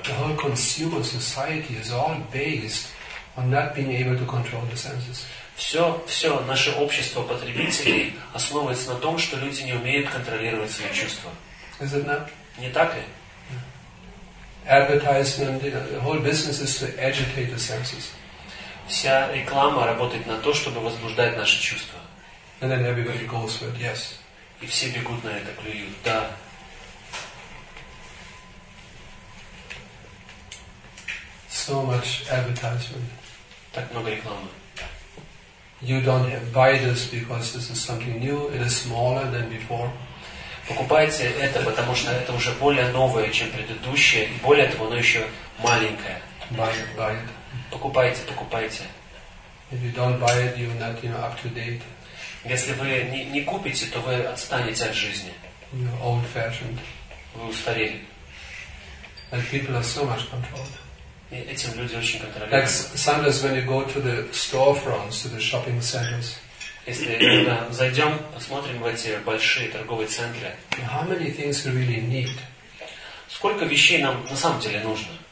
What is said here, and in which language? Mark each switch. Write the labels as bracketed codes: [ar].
[en] The whole consumer society is all based on not being able to control the senses. [ru] Все наше общество потребителей основывается на том, что люди не умеют контролировать свои чувства. [en] Is it not? [ru] Не так ли? [en] Advertisement, the whole business is to agitate the senses. [ru] Вся реклама работает на то, чтобы возбуждать наши чувства. [en] And then everybody goes for it, yes. [ru] И все бегут на это, клюют, да. [en] So much advertisement. [ru] Так много рекламы. [en] You don't buy this because this is something new. It is smaller than before. [ru] Покупайте это, потому что это уже более новое, чем предыдущее, и более того, оно еще маленькое. [en] Buy it. [ru] Покупайте. [en] If you don't buy it, you're not, you know, up to date. [ru] Если вы не купите, то вы отстанете от жизни. [en] You're old fashioned. [ru] Вы устарели. [en] And people are so much controlled. [ru] И этим люди очень контролируют. [en] Like sometimes when you go to the storefronts, to the shopping centers. [ru] Если зайдем, посмотрим в эти большие торговые центры. [en] How many things we really need? [ru] Сколько вещей нам на самом деле нужно?